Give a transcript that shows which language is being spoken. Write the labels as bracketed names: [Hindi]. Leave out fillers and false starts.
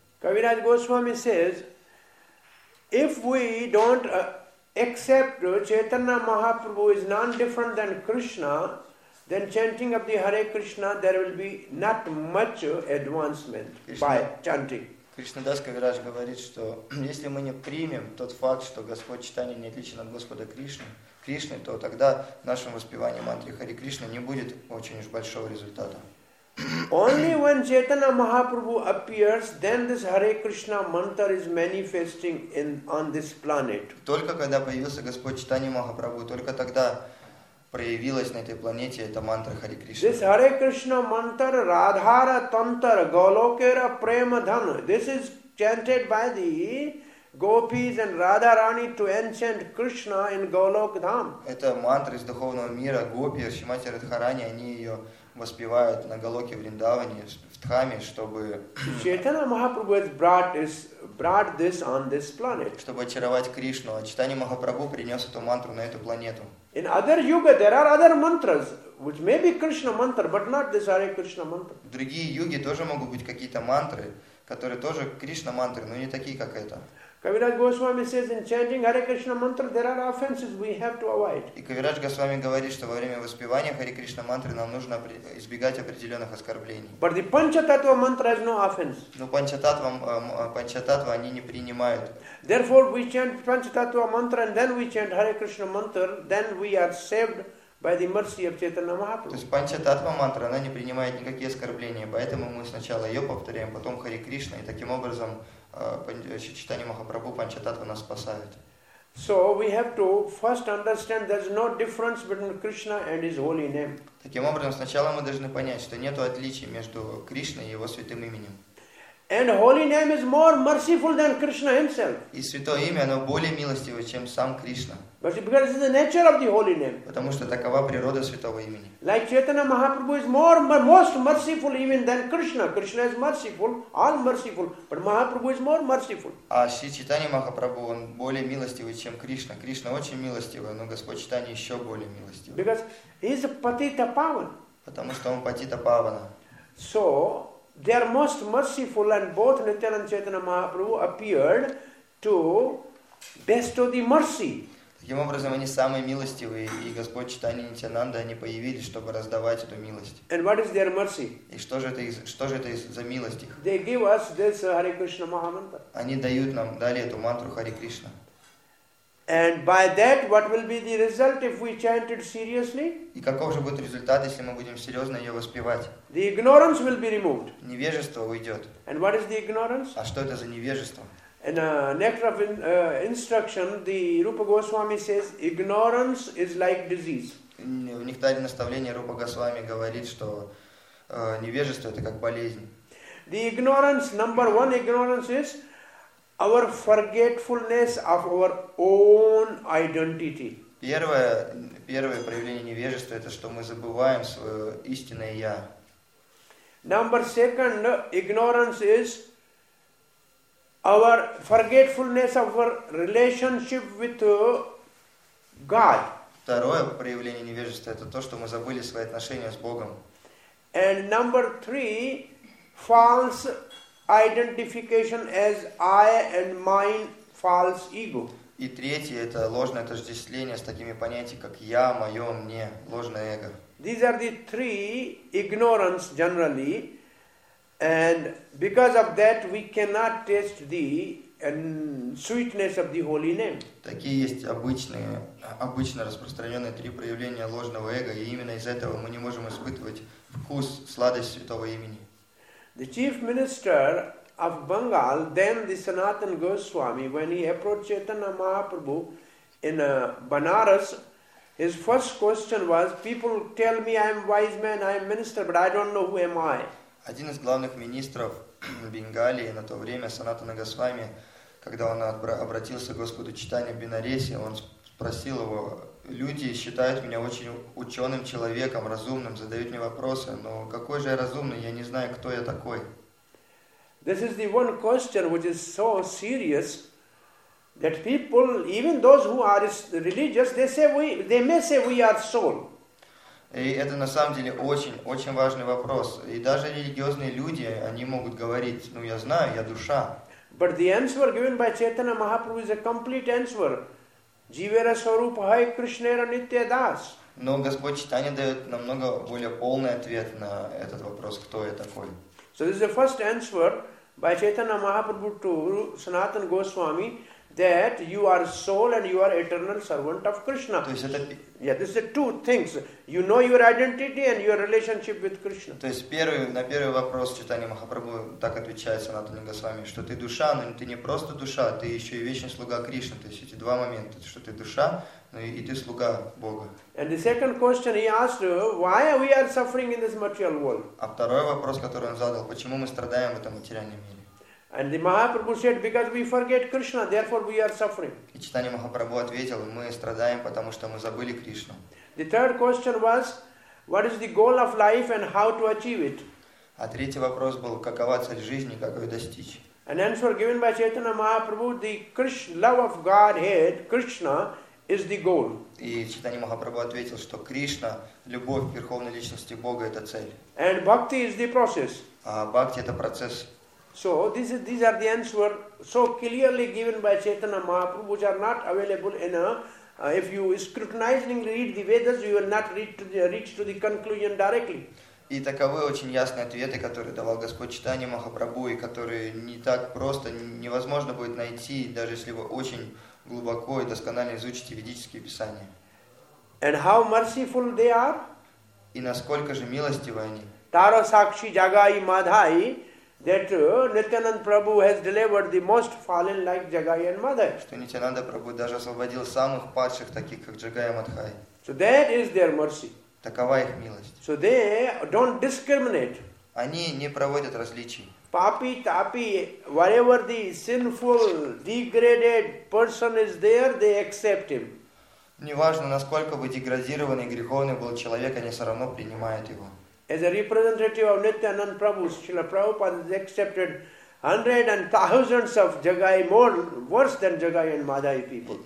[English] Kaviraj Goswami says, if we don't accept Chaitanya Mahaprabhu is non-different than Krishna, then chanting of the Hare Krishna, there will be not much advancement by chanting. [Russian] Кришнадас Кавираж говорит, что если мы не примем тот факт, что Господь Чайтанья не отличен от Господа Кришны, то тогда в нашем воспевании мантры Хари Кришна не будет очень уж большого результата. [English] Only when Chaitanya Mahaprabhu appears, then this Hare Krishna mantra is manifesting on this planet. [Russian] Только когда появился Господь Чайтанья Махапрабху, только тогда проявилась на этой планете эта мантра Хари Кришна. [English] This Hare Krishna mantra, [Bangla] Radhara Tantra, Golokera Premadhan, [English] this is chanted by the Gopis and Radharani to enchant Krishna in Golok Dham. [Russian] Это мантра из духовного мира, Гопи, Шримати Радхарани, они ее воспевают на Голоке Вриндаване, в Дхаме, чтобы... [English] Chaitanya Mahaprabhu has brought this on this planet. [Russian] Чтобы очаровать Кришну, а Чайтанья Махапрабху принес эту мантру на эту планету. [English] In other yuga, there are other mantras, which may be Krishna mantra, but not this Hare Krishna mantra. [Russian] В другие юги тоже могут быть какие-то мантры, которые тоже Кришна мантры, но не такие, как это. [English] Kaviraj Goswami says, in chanting Hare Krishna mantra, there are offenses we have to avoid. [Russian] И Kaviraj Goswami говорит, что во время воспевания Hare Krishna mantra нам нужно избегать определенных оскорблений. [English] But the Panchatattva mantra has no offense. [Russian] Но Panchatattva они не принимают. [English] Therefore, we chant Panchatattva mantra and then we chant Hare Krishna mantra, then we are saved By the mercy of Chaitanya Mahaprabhu. [Russian] То есть Панчататва мантра, она не принимает никакие оскорбления, поэтому мы сначала ее повторяем, потом Хари Кришна, и таким образом Чайтанья Махапрабху Панчататва нас спасает. [English] So we have to first understand there's no difference between Krishna and His holy name. [Russian] Таким образом, сначала мы должны понять, что нет отличий между Кришной и Его святым именем. [English] And holy name is more merciful than Krishna Himself. [Russian] И святое имя, оно более милостивое, чем сам Кришна. [English] But because it's the nature of the holy name. [Russian] Потому что такова природа святого имени. [English] Like Chaitanya Mahaprabhu is most merciful even than Krishna. Krishna is merciful, all merciful, but Mahaprabhu is more merciful. [Russian] А Шри Чайтанья Махапрабху, он более милостивый, чем Кришна. Кришна очень милостивый, но Господь Чайтанья еще более милостивый. [English] Because he is Patita Pavana. [Russian] Потому что он Патита Павана. [English] So they are most merciful, and both Nityananda and Chaitanya Mahaprabhu appeared to bestow the mercy. [Russian] Таким образом, они самые милостивые, и Господь Чайтанья Нитьянанда, они появились, чтобы раздавать эту милость. [English] And what is their mercy? [Russian] И что же это за милость их? [English] They give us this Hare Krishna Mahamantra. [Russian] Они дают нам, дали эту мантру Хари Кришна. [English] And by that, what will be the result if we chant it seriously? [Russian] И каков же будет результат, если мы будем серьезно ее воспевать? [English] The ignorance will be removed. [Russian] Невежество уйдет. [English] And what is the ignorance? [Russian] А что это за невежество? [English] In a nectar of instruction, the Rupa Goswami says, ignorance is like disease. [Russian] В нектаре наставления Рупа Госвами говорит, что невежество это как болезнь. [English] The ignorance, number one ignorance is our forgetfulness of our own identity. [Russian] Первое проявление невежества это что мы забываем свое истинное я. [English] Number second ignorance is our forgetfulness of our relationship with God. [Russian] Второе проявление невежества это то, что мы забыли свои отношения с Богом. [English] And number three, false identification as I and mine, false ego. [Russian] И третье это ложное отождествление с такими понятиями как я, мое, мне, ложное эго. [English] These are the three ignorance generally. And because of that, we cannot taste the sweetness of the holy name. [Russian] Такие есть обычно распространенные три проявления ложного эго, и именно из этого мы не можем испытывать вкус, сладость святого имени. [English] The chief minister of Bengal, then the Sanatan Goswami, when he approached Chaitanya Mahaprabhu in Banaras, his first question was, people tell me I am wise man, I am minister, but I don't know who am I. [Russian] Один из главных министров Бенгалии на то время, Санатана Госвами, когда он обратился к Господу Чайтанья Бинареси, он спросил его, люди считают меня очень ученым человеком, разумным, задают мне вопросы, но какой же я разумный, я не знаю, кто я такой. [English] This is the one question which is so serious that people, even those who are religious, they may say we are soul. [Russian] И это на самом деле очень, очень важный вопрос. И даже религиозные люди, они могут говорить, ну я знаю, я душа. [English] But the answer given by Chaitanya Mahaprabhu is a complete answer. [Bangla] Jivera Swarupa Hai Krishnera Nitya Das. [Russian] Но Господь Чайтанья дает намного более полный ответ на этот вопрос, кто я такой. [English] So this is the first answer by Chaitanya Mahaprabhu to Sanatana Goswami. That you are soul and you are eternal servant of Krishna. [Russian] То есть это... [English] Yeah, this is the two things. You know your identity and your relationship with Krishna. [Russian] То есть на первый вопрос Чайтанья Махапрабху так отвечает Санатана Госвами, что ты душа, но ты не просто душа, ты еще и вечный слуга Кришны. То есть эти два момента, что ты душа, но и ты слуга Бога. [English] And the second question he asked, why we are suffering in this material world? [Russian] А второй вопрос, который он задал, почему мы страдаем в этом материальном мире? [English] And the Mahaprabhu said, because we forget Krishna, therefore we are suffering. [Russian] И Чайтанья Махапрабху ответил, мы страдаем, потому что мы забыли Кришну. [English] The third question was, what is the goal of life and how to achieve it? [Russian] А третий вопрос был, какова цель жизни, как ее достичь? [English] An answer given by Chaitanya Mahaprabhu, the love of Godhead, Krishna, is the goal. [Russian] И Чайтанья Махапрабху ответил, что Кришна, любовь к Верховной Личности Бога, это цель. [English] And bhakti is the process. [Russian] А бхакти это процесс. [English] So these are the answers so clearly given by Chaitanya Mahaprabhu, which are not available in a. If you scrutinizingly read the Vedas, you will not reach to the conclusion directly. [Russian] И таковы очень ясные ответы, которые давал Господь Чайтанья Махапрабху, и которые не так просто невозможно будет найти, даже если вы очень глубоко и досконально изучите ведические писания. [English] And how merciful they are? [Russian] И насколько же милостивы они? [Bangla] Таро сакши джагай мадхай, [English] that Nityananda Prabhu has delivered the most fallen like Jagai and Madhai. [Russian] Что Нитянанда Прабху даже освободил самых падших таких как Джагай и Мадхай. [English] So that is their mercy. [Russian] Такова их милость. [English] So they don't discriminate. [Russian] Они не проводят различий. [Bangla] Papi, tapi, [English] whatever the sinful, degraded person is there, they accept him. [Russian] Неважно, насколько бы деградированный, греховный был человек, они все равно принимают его. [English] As a representative of Nityananda Prabhu, Srila Prabhupada has accepted hundreds and thousands of Jagai, more worse than Jagai and Madhai people.